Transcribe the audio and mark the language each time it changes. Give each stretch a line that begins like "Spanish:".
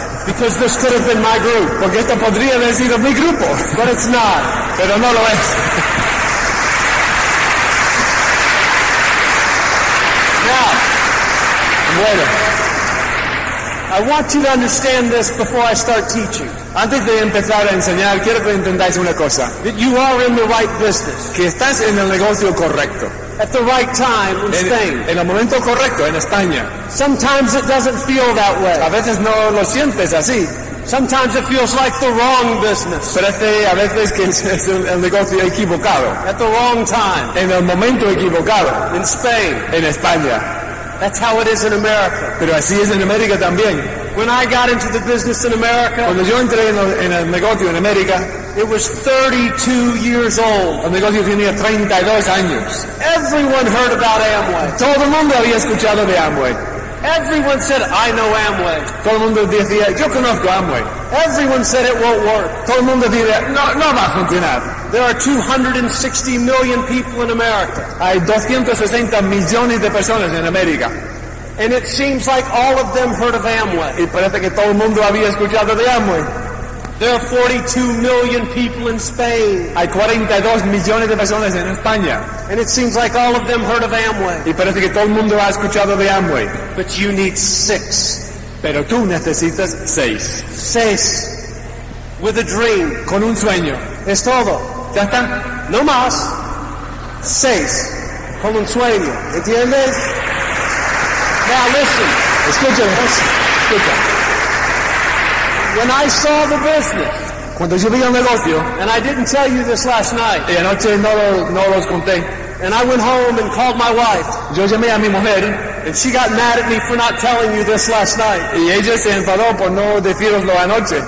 English: Because this could have been my group.
Spanish: Porque esto podría haber sido mi grupo.
English: But it's not.
Spanish: Pero no lo es.
English: Now.
Spanish: Bueno.
English: I want you to understand this before I start teaching.
Spanish: Antes de empezar a enseñar, quiero que entendáis una cosa.
English: That you are in the right business.
Spanish: Que estás en el negocio correcto.
English: At the right time in Spain.
Spanish: En el momento correcto, en España.
English: Sometimes it doesn't feel that way.
Spanish: A veces no lo sientes así.
English: Sometimes it feels like the wrong business.
Spanish: Parece a veces que es el negocio equivocado.
English: At the wrong time.
Spanish: En el momento equivocado.
English: In Spain.
Spanish: En España.
English: That's how it is in America.
Spanish: Pero así es en América también.
English: When I got into the business in America,
Spanish: cuando yo entré en el negocio en América,
English: it was 32 years old.
Spanish: El negocio tenía 32 años.
English: Everyone heard about Amway.
Spanish: Todo el mundo había escuchado de Amway.
English: Everyone said, I know Amway.
Spanish: Todo el mundo decía, yo conozco Amway.
English: Everyone said it won't work.
Spanish: Todo el mundo decía, no va a funcionar.
English: There are 260 million people in America.
Spanish: Hay 260 millones de personas en América.
English: And it seems like all of them heard of Amway.
Spanish: Y parece que todo el mundo había escuchado de Amway.
English: There are 42 million people in Spain.
Spanish: Hay 42 millones de personas en España.
English: And it seems like all of them heard of Amway.
Spanish: Y parece que todo el mundo ha escuchado de Amway.
English: But you need six.
Spanish: Pero tú necesitas seis. Seis.
English: With a dream.
Spanish: Con un sueño. Es todo. Ya está. No más. Seis. Con un sueño. ¿Entiendes?
English: Now listen.
Spanish: Escúchame. Escúchame.
English: When I saw the business,
Spanish: cuando yo vi el negocio,
English: and I didn't tell you this last night,
Spanish: y anoche no los conté,
English: and I went home and called my wife,
Spanish: yo llamé a mi mujer,
English: and she got mad at me for not telling you this last night,
Spanish: y ella se enfadó por no deciroslo anoche,